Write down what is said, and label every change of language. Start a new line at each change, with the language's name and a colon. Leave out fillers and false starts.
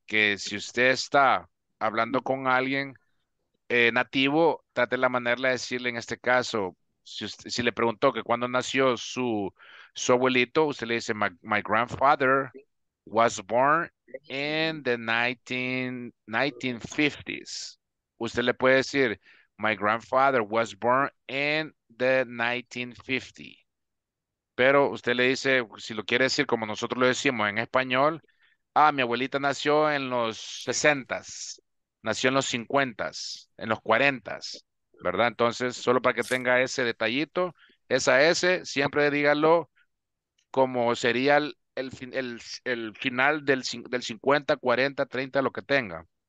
Spanish: Que si usted está hablando con alguien nativo, trate la manera de decirle, en este caso, si le preguntó que cuando nació su abuelito, usted le dice,
English: my grandfather was born in the 1950s.
Spanish: Usted le puede decir,
English: my grandfather was born in the 1950.
Spanish: Pero usted le dice, si lo quiere decir como nosotros lo decimos en español, mi abuelita nació en los 60s, nació en los 50s, en los 40s, ¿verdad? Entonces, solo para que tenga ese detallito, esa S, siempre dígalo como sería el final del 50, 40, 30, lo que tenga.